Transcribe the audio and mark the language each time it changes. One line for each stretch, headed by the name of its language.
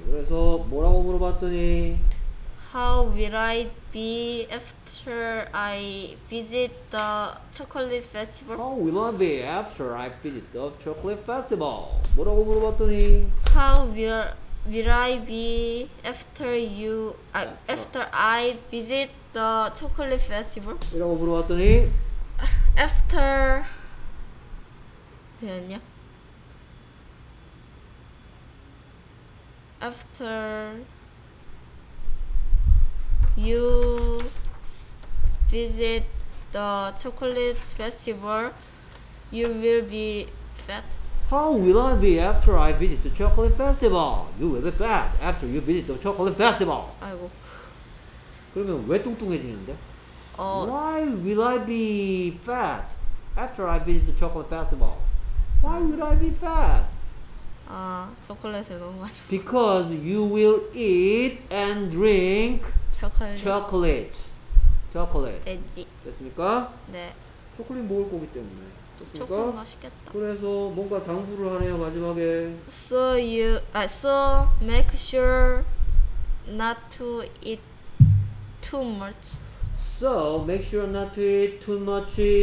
Korean: 그래서 뭐라고 물어봤더니
English: How will I be after I visit the chocolate festival? How will I be after I visit the chocolate festival?
Korean: 뭐라고 물어봤더니
English: How will I be after you after I visit the chocolate festival?
Korean: 이라고 물어봤더니
English: After
Korean: 왜 아니야?
English: After you visit the chocolate festival, you will be fat. How will I be after I visit the chocolate festival? You will be fat after you visit the chocolate festival.
Korean: 아이고. 그러면 왜 뚱뚱해지는데?
English: Why will I be fat after I visit the chocolate festival? Why would I be fat?
Korean: 아, 초콜릿을 너무 많이
English: Because you will eat and drink
Korean: 초콜릿. 초콜릿. 돼지. 됐습니까? 네. 초콜릿 먹을 거기 때문에. 됐습니까? 초콜릿 맛있겠다. 그래서 뭔가 당부를 하네요, 마지막에.
English: So you, so make sure not to eat too much. So make sure not to eat too much